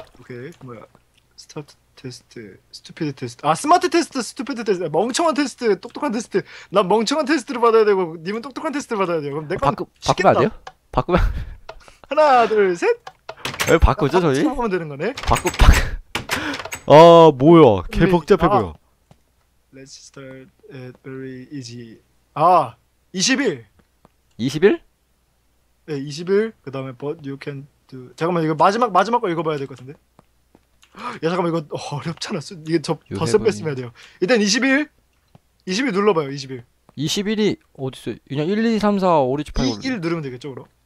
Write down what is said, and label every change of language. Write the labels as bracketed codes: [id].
[ko] 오케이 뭐야 [en] 스타트 테스트 스튜피드 테스트 [ko] 아 [en] 스마트 테스트 스튜피드 테스트 [ko] 멍청한 테스트 똑똑한 테스트 난 멍청한 테스트를 받아야 되고 님은 똑똑한 테스트를 받아야 돼요. 그럼 내 건 쉽겠다. 바꾸면 안 돼요? 바꾸면 하나 둘 셋 왜 바꾸죠 저희? 바꾸면 되는 거네? 바꾸 아 뭐야 개 복잡해 보여. 아, [en] Let's start at very easy. [ko] 아 21. 21? 네 21. 그 다음에 [en] but you can do. [ko] 잠깐만 이거 마지막 거 읽어봐야 될 것 같은데. 야 잠깐만 이거 어렵잖아. 이게 저 더 세 뺐으면 해야 돼요. 일단 21. 21 눌러봐요. 21. 21이 어디 있어? 그냥 1, 2, 3, 4, 5, 6, 8, 9. 1 누르면 되겠죠 그럼.